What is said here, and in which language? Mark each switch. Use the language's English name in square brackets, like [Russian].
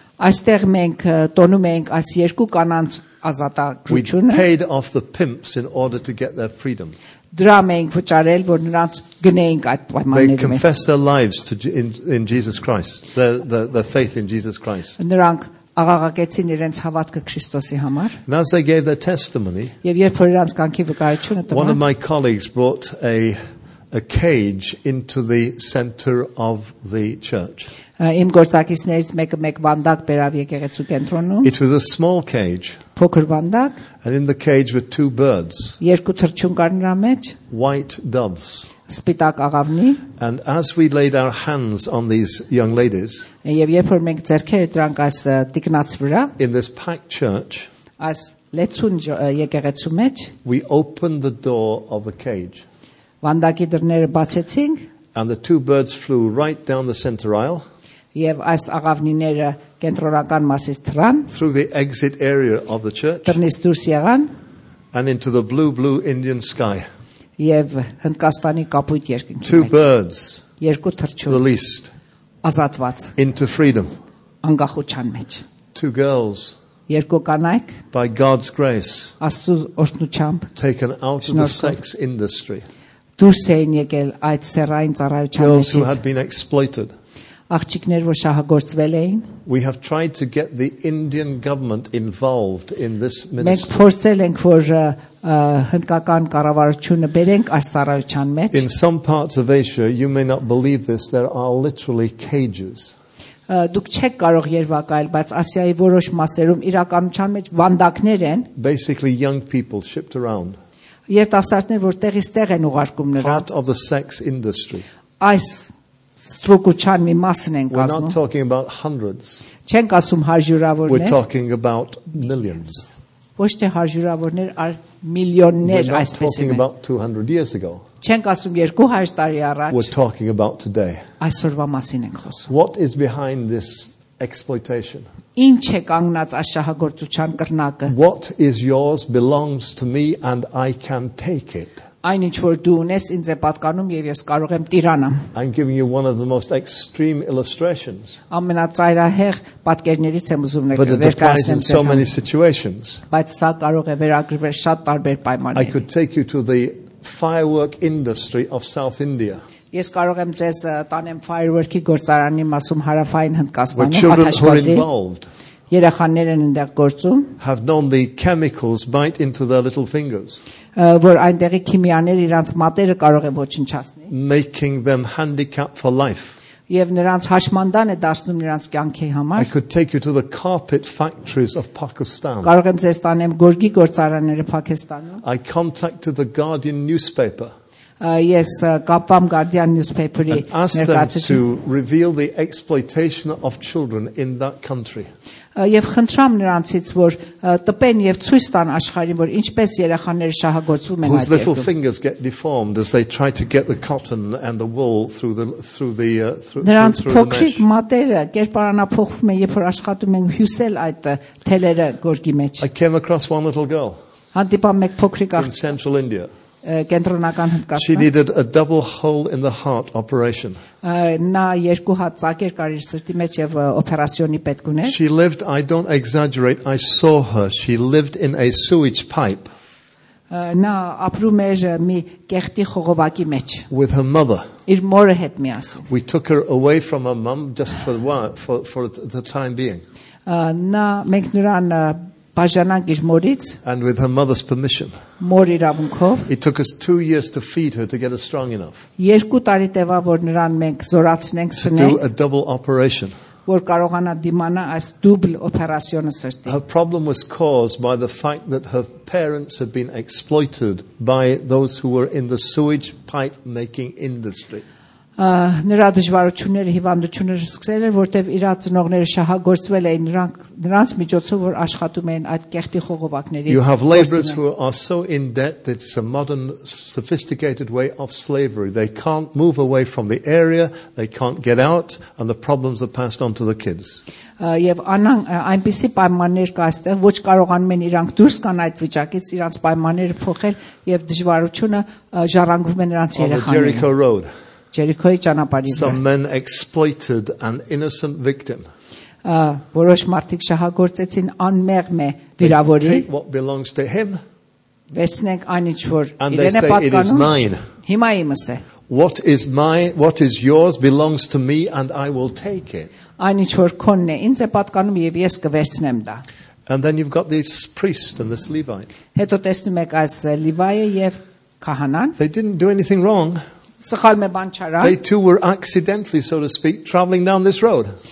[Armenian] Այստեղ մենք տոնում էինք այս երկու կանանց ազատագրությունը. [English] We paid off the pimps in order to get their freedom. [Armenian] Դրամ էինք վճարել, որ նրանց գնեինք այդ պայմանները մեջ. [English] They confessed their lives to in Jesus Christ. Their faith in Jesus Christ. [Armenian] Նրանք աղաղակեցին իրենց հավատքը Քրիստոսի համար. [English] And as they gave their testimony, [Armenian] Եվ երբ որ իրենց կանքի վկայությունը տվան, [English] One of my colleagues brought a a cage into the center of the church. [Armenian] Իմ գործակիցներից մեկը մեկ վանդակ բերավ եկեղեցու կենտրոնում. [English] It was a small cage. [Armenian] Փոքր վանդակ. [English] And in the cage were two birds. [Armenian] Երկու թռչուն կար նրա մեջ. [English] White doves. [Armenian] Սպիտակ աղավնի. [English] And as we laid our hands on these young ladies. [Armenian] Եվ երբ որ մենք ձեռքերը դրանք այս տիկնաց վրա. [English] In this packed church. [Armenian] Այս լեցուն եկեղեցու մեջ. [English] We opened the door of the cage. [Armenian] Վանդակի դռները բացեցինք. [English] And the two birds flew right down the center aisle. [Armenian] Եվ այս աղավնիները կենտրոնական մասից թռան. [English] Through the exit area of the church. [Armenian] Դռնից դուրս եղան. [English] And into the blue Indian sky. [Armenian] Եվ Հնդկաստանի կապույտ երկնքի մեջ. [English] Two birds. [Armenian] Երկու թռչուն. [English] Released. [Armenian] Ազատված. [English] Into freedom. [Armenian] Անկախության մեջ. [English] Two girls. [Armenian] Երկու կանայք. [English] By God's grace. [Armenian] Աստծո օրհնությամբ. [English] Taken out of the sex industry. [Armenian] Դուրս էին եկել այդ սեռային ծառայության մեջ. [English] Girls who had been exploited. [Armenian] Աղջիկներ, որ շահագործվել էին. [English] We have tried to get the Indian government involved in this ministry. [Armenian] Մենք փորձել ենք, որ հնդկական կառավարությունը բերենք այս ծառայության մեջ. [English] In some parts of Asia, you may not believe this, there are literally cages. [Armenian] Դուք չեք կարող երևակայել, բայց Ասիայի որոշ մասերում իրականության մեջ վանդակներ են. [English] Basically young people shipped around. [Armenian] Երտասարդներ, որ տեղիստեղ են ուղարկում նրանց. [English] Part of the sex industry. [Armenian] Այս ստրուկուչան մի մասն են կազմում. [English] We're not talking about hundreds. [Armenian] Չենք ասում հարյուրավորներ. [English] We're talking about millions. [Armenian] Ոչ թե հարյուրավորներ, այլ միլիոններ այսպես են. [English] We're talking about 200 years ago. [Armenian] Չենք ասում 200 տարի առաջ. [English] We're talking about today. [Armenian] Այսօրվա մասին ենք խոսում. [English] What is behind this exploitation? [Armenian] Ինչ է կանգնած այս շահագործության կրնակը? [English] What is yours belongs to me and I can take it. [Armenian] Այն ինչ որ դու ունես ինձ է պատկանում եւ ես կարող եմ տիրանամ. [English] I'm giving you one of the most extreme illustrations. [Armenian] Ամենածայրահեղ պատկերներից եմ ուզում ներկայացնեմ ձեզ. Բայց սա կարող է վերագրվել շատ տարբեր պայմաններ. [English] I could take you to the firework industry of South India. [Armenian] Ես կարող եմ ձեզ տանեմ firework-ի գործարանի մասում հարավային Հնդկաստանում, Աթաշվազի։ Երեխաներ են այնտեղ գործում։ [English] Have known the chemicals bite into their little fingers. [Armenian] Որ այնտեղի քիմիաներ իրանց մատերը կարող է ոչնչացնել։ [English] Making them handicapped for life. [Armenian] Եվ նրանց հաշմանդան է դարձնում նրանց կյանքի համար։ [English] I could take you to the carpet factories of Pakistan. [Armenian] Կարող եմ ձեզ տանեմ գորգի գործարանները Փակիստանում։ [English] I contacted the Guardian newspaper. Yes, Kapam Guardian newspaper. And ask them to reveal the exploitation of children in that country. [Armenian] Եվ խնդրամ նրանցից, որ տպեն եւ ցույց տան աշխարհին, որ ինչպես երեխաները շահագործվում են այդ երկրում. [English] Whose little fingers get deformed as they try to get the cotton and the wool through the mesh. [Armenian] Նրանց փոքրիկ մատերը կերպարանափոխվում են, երբ որ աշխատում են հյուսել այդ թելերը գորգի մեջ. [English] I came across one little girl. [Armenian] Հանդիպա մեկ փոքրիկ աղջիկ. [English] In central India. [Armenian] Կենտրոնական Հնդկաստան. [English] She needed a double hole in the heart operation. [Armenian] Նա երկու հատ ծակեր կար իր սրտի մեջ եւ օպերացիոնի պետք ուներ. [English] She lived, I don't exaggerate, I saw her. She lived in a sewage pipe. [Armenian] Նա ապրում էր մի կեղտի խողովակի մեջ. [English] With her mother. [Armenian] Իր մորը հետ միասին. [English] We took her away from her mum just for the time being. [Armenian] Նա մենք նրան բաժանանք իր մորից. [English] And with her mother's permission. [Armenian] Մոր իրավունքով. [English] It took us 2 years to feed her to get her strong enough. [Armenian] Երկու տարի տևա, որ նրան մենք զորացնենք սնեն. [English] To do a double operation. [Armenian] Որ կարողանա դիմանա այս դուբլ օպերացիոնը սրտի. [English] Her problem was caused by the fact that her parents had been exploited by those who were in the sewage pipe making industry. [Armenian] Նրա դժվարությունները, հիվանդությունները սկսել էր, որտեվ իր ծնողները շահագործվել էին նրանց միջոցով, որ աշխատում էին այդ կեղտի խողովակների։ [English] You have laborers who are so in debt that it's a modern sophisticated way of slavery. They can't move away from the area, they can't get out, and the problems are passed on to the kids. [Armenian] Եվ անան այնպիսի պայմաններ կա այստեղ, ոչ կարողանում են իրանք դուրս գան այդ վիճակից, իրանք պայմանները փոխել եւ դժվարությունը ժառանգվում է նրանց երեխաներին։ Ջերիկոյի ճանապարհին։ [English] Some men exploited an innocent victim. [Armenian] Որոշ մարդիկ շահագործեցին անմեղ մե վիրավորի։ [English] They take what belongs to him. [Armenian] Վերցնենք այն ինչ որ իրեն է պատկանում։ Հիմա իմս է։ [English] What is mine, what is yours belongs to me and I will take it. [Armenian] Այն ինչ որ քոնն է, ինձ է պատկանում եւ ես կվերցնեմ դա։ [English] And then you've got this priest and this Levite. [Armenian] Հետո տեսնում եք այս Լիվայը եւ քահանան։ [English] They didn't do anything wrong. They too were accidentally, so to speak, traveling down this road.